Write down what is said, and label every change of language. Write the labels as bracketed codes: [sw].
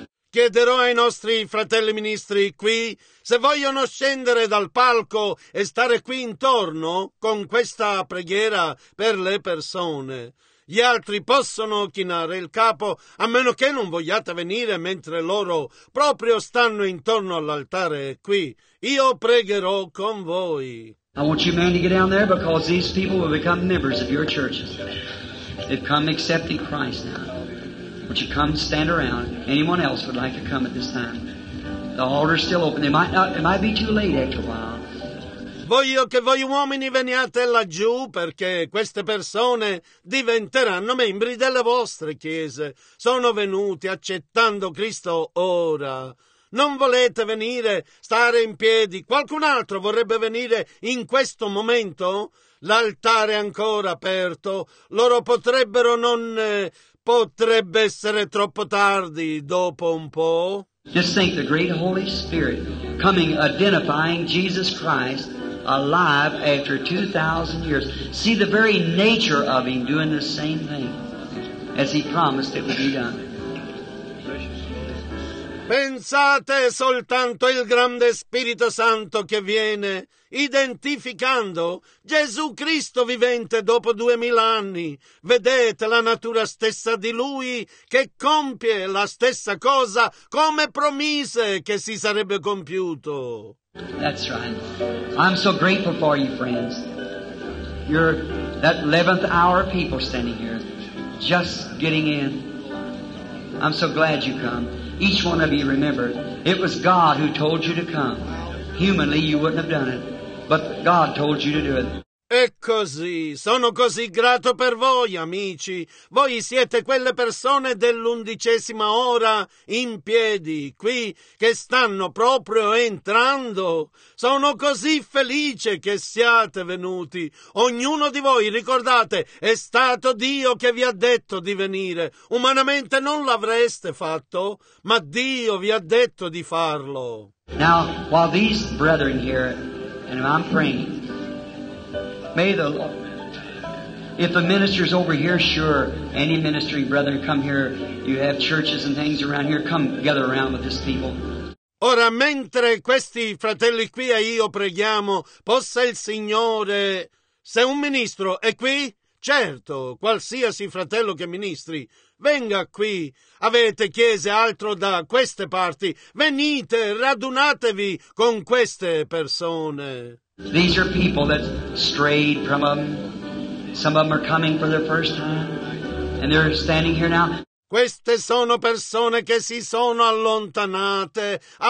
[it] Chiederò ai nostri fratelli ministri qui se vogliono scendere dal palco e stare qui intorno con questa preghiera per le persone. Gli altri possono chinare il capo a meno che non vogliate venire mentre loro proprio stanno intorno all'altare qui. Io pregherò con voi. [en] I want you men to get down there because these people will become members of your churches. They've come accepting Christ now. Would you come stand around? Anyone else would like to come at this time? The altar's still open. It might be too late after a while. [it] Voglio che voi uomini veniate laggiù perché queste persone diventeranno membri delle vostre chiese. Sono venuti accettando Cristo ora. Non volete venire, stare in piedi? Qualcun altro vorrebbe venire in questo momento? L'altare è ancora aperto. Loro potrebbero non... Potrebbe essere troppo tardi dopo un po'. [en] Just think the great Holy Spirit coming, identifying Jesus Christ alive after 2,000 years. See the very nature of him doing the same thing as he promised it would be done. [it] Pensate soltanto il grande Spirito Santo che viene identificando Gesù Cristo vivente dopo 2000 anni. Vedete la natura stessa di Lui che compie la stessa cosa come promise che si sarebbe compiuto. [en] That's right. I'm so grateful for you, friends. You're that 11th hour people standing here, just getting in. I'm so glad you come. Each one of you, remember, it was God who told you to come. Humanly, you wouldn't have done it, but God told you to do it. [it] E così, sono così grato per voi, amici. Voi siete quelle persone dell'undicesima ora in piedi, qui, che stanno proprio entrando. Sono così felice che siate venuti. Ognuno di voi, ricordate, è stato Dio che vi ha detto di venire. Umanamente non l'avreste fatto, ma Dio vi ha detto di farlo. [en] Now, while these brethren here, and I'm praying, may the Lord, if the minister's over here, sure, any ministering brethren come here, you have churches and things around here, come gather around with this people. [it] Ora, mentre questi fratelli qui e io preghiamo, possa il Signore, se un ministro è qui, certo, qualsiasi fratello che ministri, venga qui, avete chiese altro da queste parti, venite, radunatevi con queste persone. [en] These are people that strayed from them. Some of them are coming for the first time, and they're standing here now. [it] Queste sono persone che si sono allontanate.